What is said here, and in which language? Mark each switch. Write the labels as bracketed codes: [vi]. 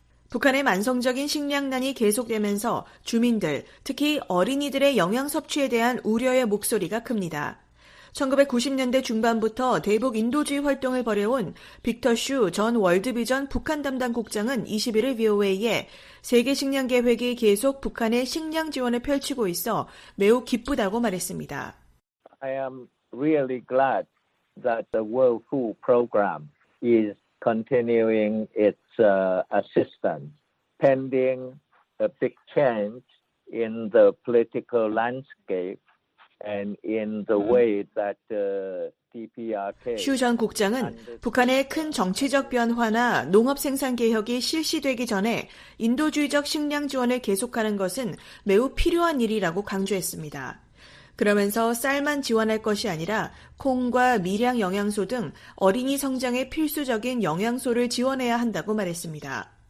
[ko] 북한의 만성적인 식량난이 계속되면서 주민들, 특히 어린이들의 영양 섭취에 대한 우려의 목소리가 큽니다. 1990년대 중반부터 대북 인도주의 활동을 벌여온 빅터 슈 전 월드비전 북한 담당 국장은 21일 VOA에 세계 식량 계획이 계속 북한의 식량 지원을 펼치고 있어 매우 기쁘다고 말했습니다. [en] I am really glad that the World Food Program is continuing its assistance pending a big change in the political landscape and in the way that DPRK. [ko] 슈 전 국장은 북한의 큰 정치적 변화나 농업 생산 개혁이 실시되기 전에 인도주의적 식량 지원을 계속하는 것은 매우 필요한 일이라고 강조했습니다. 그러면서 쌀만 지원할 것이 아니라 콩과 미량 영양소 등 어린이 성장에 필수적인 영양소를 지원해야 한다고 말했습니다.